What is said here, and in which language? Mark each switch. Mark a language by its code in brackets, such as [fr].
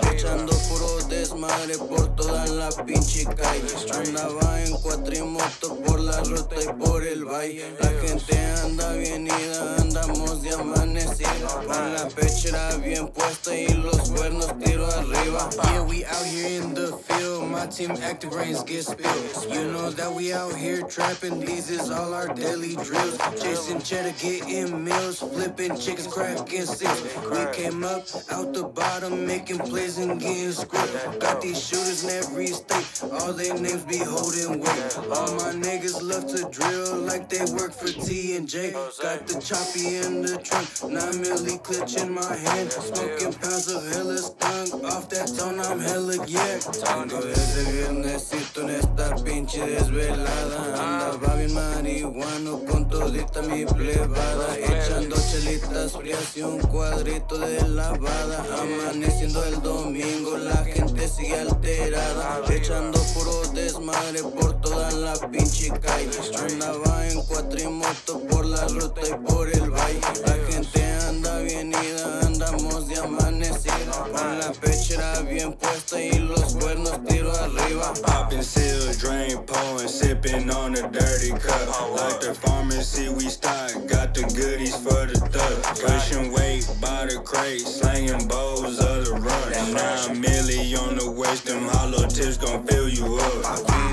[es] Echando puro desmadre por toda la pinche calle. Andaba en cuatrimoto por la ruta y por el valle. La gente anda bien ida, andamos de amanecida. Con la pechera bien puesta y los cuernos tiro arriba. [en] Yeah, we out here in the field. My team active, brains get spilled. You know that we out here trapping. These is all our daily drills. Chasing cheddar, getting meals. Flipping chickens, cracking six. We came up out the bottom, making plays and getting script. Got these shooters in every state. All their names be holding weight. All my niggas love to drill like they work for T&J. Got the choppy in the trunk. 9 milli clutch in my hand. Smoking pounds of hella skunk. Off that tone, I'm hella geared. [es] Desde viernesito en esta pinche desvelada. Andaba bien marihuano con todita mi plebada. Echando chelitas frías y un cuadrito de lavada. Amaneciendo el domingo la gente sigue alterada. Echando puro desmadre por toda la pinche calle. Andaba en cuatrimoto por la ruta y por el valle. La gente anda bien ida, andamos de amanecida. Con la pechera bien puesta y los cuernos tiro arriba. [en] Popping seals, drain pulling, sipping on a dirty cup. Like the pharmacy we stock, got the goodies for the thug. Pushing weight by the crate, slanging bowls of the rush. 9 milli on the waist, them hollow tips gon' fill you up.